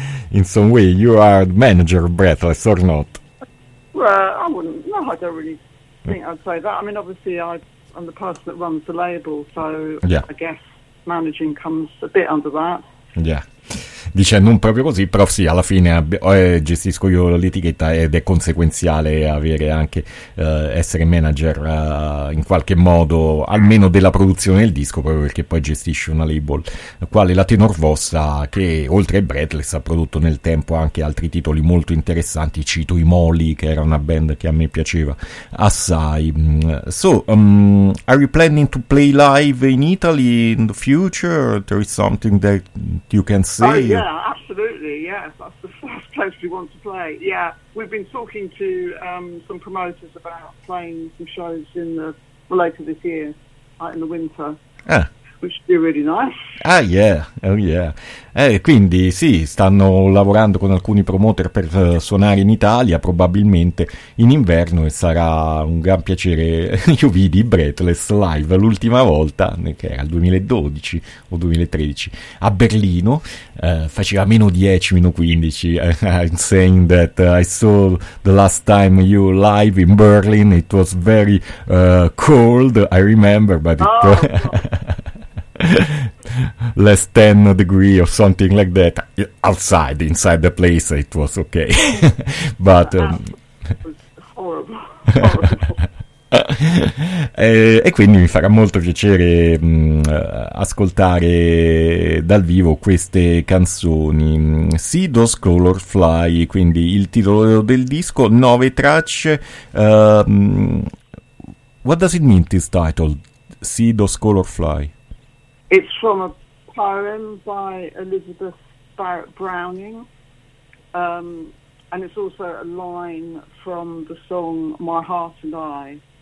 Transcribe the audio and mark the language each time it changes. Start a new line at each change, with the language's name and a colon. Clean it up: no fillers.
English: In some way you are the manager of Breathless or not? Well, I wouldn't, no, I don't really think I'd say that. I mean, obviously I'm the person that runs the label, so yeah. I guess managing comes a bit under that. Yeah.
Italian: Dice non proprio così, però sì, alla fine gestisco io l'etichetta ed è conseguenziale avere anche essere manager in qualche modo, almeno della produzione del disco, proprio perché poi gestisce una label quale la Tenor Vossa, che oltre ai Breathless ha prodotto nel tempo anche altri titoli molto interessanti. Cito i Molly, che era una band che a me piaceva assai.
English: So are you planning to play live in Italy in the future? There is something that you can say? Yeah, absolutely. Yes, that's the first place we want to play. Yeah, we've been talking to some promoters about playing some shows in the later this year, in the winter. Ah. Which would be really nice. Ah, yeah, oh yeah.
Italian: Quindi sì, stanno lavorando con alcuni promoter per suonare in Italia, probabilmente in inverno, e sarà un gran piacere. Io vidi Breathless live l'ultima volta, che era il 2012 o 2013, a Berlino, faceva meno 10, meno 15.
English: I'm saying that I saw the last time you live in Berlin, it was very cold, I remember, but it... Oh, less 10 degrees or something like that outside, inside the place it was okay. But it was horrible.
Italian: E quindi mi farà molto piacere ascoltare dal vivo queste canzoni. See Those Color Fly, quindi il titolo del disco, 9 tracce.
English: What does it mean, this title, See Those Color Fly? It's from a poem by Elizabeth Barrett Browning, and it's also a line from the song My Heart and I,